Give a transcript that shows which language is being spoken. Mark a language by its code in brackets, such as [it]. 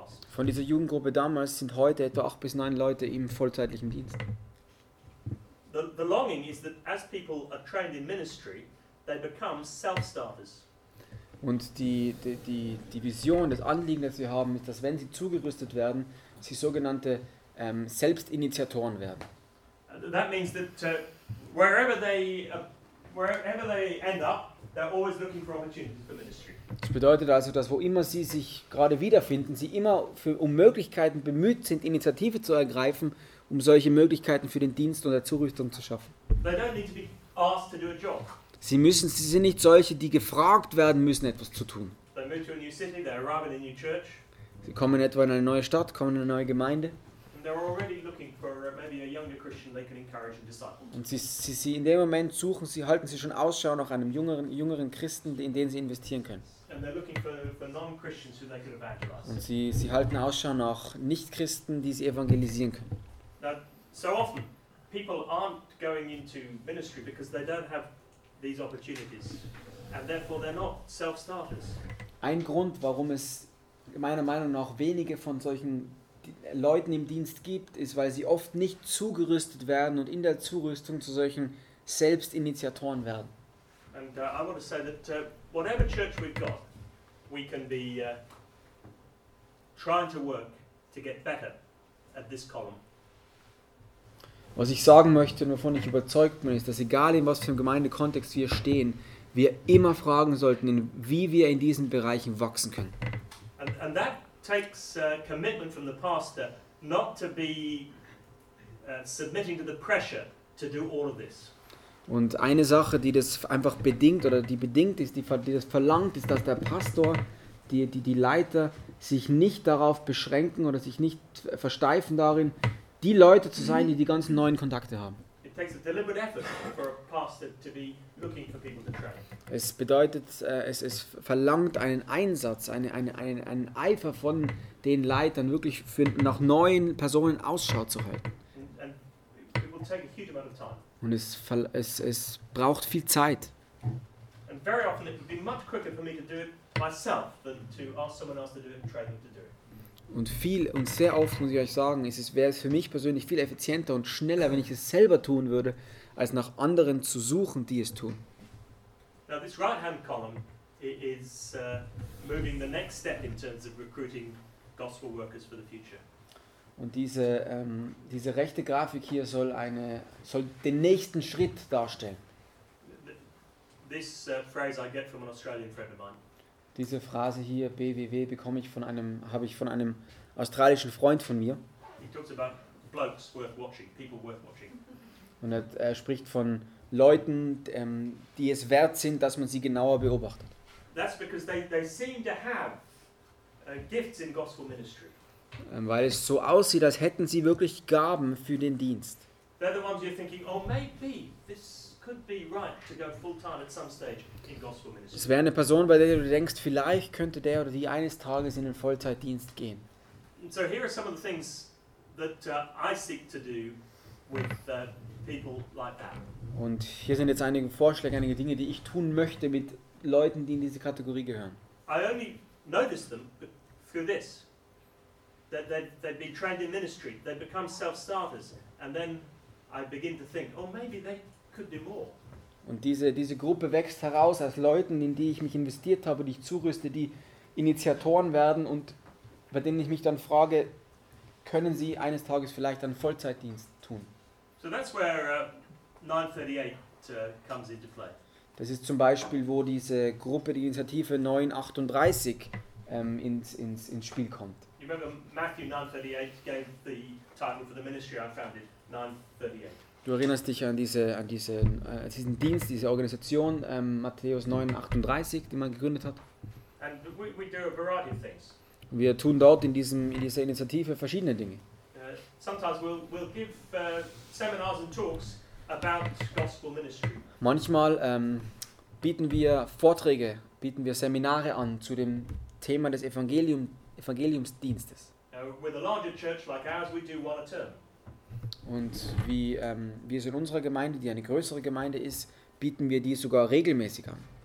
[de] Von dieser Jugendgruppe damals sind heute etwa 8 bis 9 Leute im vollzeitlichen Dienst. [en] The longing is that as people are trained in ministry, they become self-starters. [de] Und die Vision, das Anliegen, das wir haben, ist, dass wenn sie zugerüstet werden, sie sogenannte Selbstinitiatoren werden. [en] That means that wherever they end up, they're always looking for opportunities for ministry. [de] Das bedeutet also, dass wo immer sie sich gerade wiederfinden, sie immer um Möglichkeiten bemüht sind, Initiative zu ergreifen, um solche Möglichkeiten für den Dienst und der Zurüstung zu schaffen. [en] They don't need to be asked to do a job. [de] Sie sind nicht solche, die gefragt werden müssen, etwas zu tun. [en] They move to a new city, they arrive in a new church. [de] Sie kommen etwa in eine neue Stadt, kommen in eine neue Gemeinde. [en] And they're already looking for maybe a younger Christian they can encourage and disciple. [de] Und sie in dem Moment suchen, sie halten sie schon Ausschau nach einem jüngeren Christen, in den sie investieren können. [en] And they're looking for non-Christians who they can evangelize. [de] Und sie halten Ausschau nach Nicht-Christen, die sie evangelisieren können. [en] Now, so often people aren't going into ministry because they don't have these opportunities and therefore they're not self-starters. [de] Ein Grund, warum es meiner Meinung nach wenige von solchen Leuten im Dienst gibt, ist, weil sie oft nicht zugerüstet werden und in der Zurüstung zu solchen Selbstinitiatoren werden. [en] And I want to say that whatever church we've got, we can be trying to work to get better at this column. [de] Was ich sagen möchte und wovon ich überzeugt bin, ist, dass egal in was für einem Gemeindekontext wir stehen, wir immer fragen sollten, wie wir in diesen Bereichen wachsen können. [en] And that takes commitment from the pastor not to be submitting to the pressure to do all of this. [de] Und eine Sache, die das einfach bedingt oder die bedingt ist, die das verlangt, ist, dass der Pastor, die Leiter sich nicht darauf beschränken oder sich nicht versteifen darin, die Leute zu sein, die ganzen neuen Kontakte haben. [en] It takes a deliberate effort for a pastor to be looking for people to train. [de] Es bedeutet, es verlangt einen Einsatz, einen Eifer von den Leitern, wirklich nach neuen Personen Ausschau zu halten. [en] And it will take a huge amount of time. [de] Und es braucht viel Zeit. [en] And very often it would be much quicker for me to do it myself than to ask someone else to do it and train them to do it. [de] Und viel und sehr oft muss ich euch sagen, wäre es für mich persönlich viel effizienter und schneller, wenn ich es selber tun würde, als nach anderen zu suchen, die es tun. [en] Now this right-hand column is moving the next step in terms of recruiting gospel workers for the future. [de] Und diese rechte Grafik hier soll den nächsten Schritt darstellen. [en] This phrase I get from an Australian friend of mine. [de] Diese Phrase hier, BWW, habe ich von einem australischen Freund von mir. [en] He talks about blokes worth watching, people worth watching. [de] Und er spricht von Leuten, die es wert sind, dass man sie genauer beobachtet. [en] That's because they seem to have gifts in gospel ministry. [de] Weil es so aussieht, als hätten sie wirklich Gaben für den Dienst. [en] They're the ones you're thinking, oh, maybe this could be right to go full time at some stage in gospel ministry. [de] Es wäre eine Person, bei der du denkst, vielleicht könnte der oder die eines Tages in den Vollzeitdienst gehen. [en] And so here are some of the things that I seek to do with people like that. [de] Und hier sind jetzt einige Vorschläge, einige Dinge, die ich tun möchte mit Leuten, die in diese Kategorie gehören. [en] I only notice them through this, that they've been trained in ministry, they become self-starters, and then I begin to think, oh, maybe they could do more. [de] Und diese Gruppe wächst heraus aus Leuten, in die ich mich investiert habe, die ich zurüste, die Initiatoren werden und bei denen ich mich dann frage, können sie eines Tages vielleicht einen Vollzeitdienst tun? [en] So that's where 938 comes into play. [de] Das ist zum Beispiel, wo diese Gruppe, die Initiative 938 ins Spiel kommt. [en] You remember Matthew 938 gave the title for the ministry I founded, 938. [de] Du erinnerst dich an diesen Dienst, diese Organisation, Matthäus 9:38, die man gegründet hat. [en] And we do a variety of things. [de] Wir tun dort in dieser Initiative verschiedene Dinge. [en] Sometimes we'll give seminars and talks about gospel ministry. [de] Manchmal bieten wir Seminare an zu dem Thema des Evangeliumsdienstes. [en] With a larger church like ours, we do one a term. [de] Und wie es in unserer Gemeinde, die eine größere Gemeinde ist, bieten wir die sogar regelmäßig an.